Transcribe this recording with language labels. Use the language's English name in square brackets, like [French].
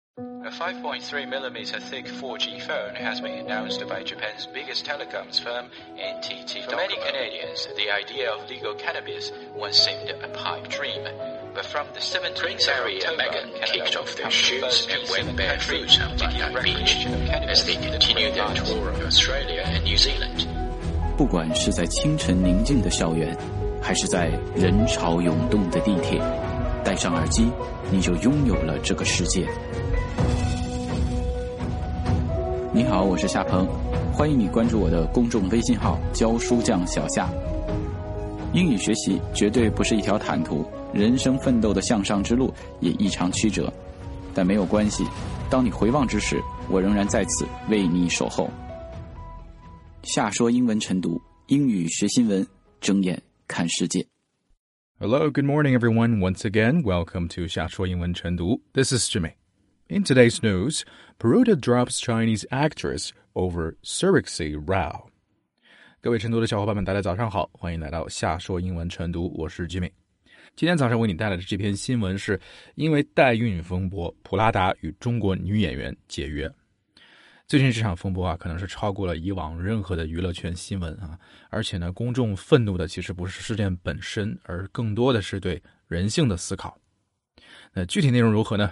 [English] A 5.3mm thick 4G phone has been announced by Japan's biggest telecoms firm, NTT Docomo. For many Canadians, the idea of legal cannabis once seemed a pipe dream. But from the 17th of October, Canada kicked off their shoes and went barefoot on the beach as they continued their tour of Australia and New Zealand. [Chinese] 不管是在清晨宁静的校园，还是在人潮涌动的地铁，戴上耳机，你就拥有了这个世界。你好，我是夏鹏，欢迎你关注我的公众微信号“教书匠小夏”。英语学习绝对不是一条坦途，人生奋斗的向上之路也异常曲折，但没有关系，当你回望之时，我仍然在此为你守候。夏说英文晨读，英语学新闻，睁眼看世界。 [English] Hello, good morning, everyone. Once again, welcome to 夏说英文晨读。 This is Jimmy. In today's news, Peruta drops Chinese actress over surrogacy row. [Chinese] 各位晨读的小伙伴们，大家早上好，欢迎来到夏说英文晨读，我是 Jimmy。今天早上为你带来的这篇新闻是因为代孕风波，普拉达与中国女演员解约。最近这场风波啊，可能是超过了以往任何的娱乐圈新闻啊，而且呢，公众愤怒的其实不是事件本身，而更多的是对人性的思考。那具体内容如何呢？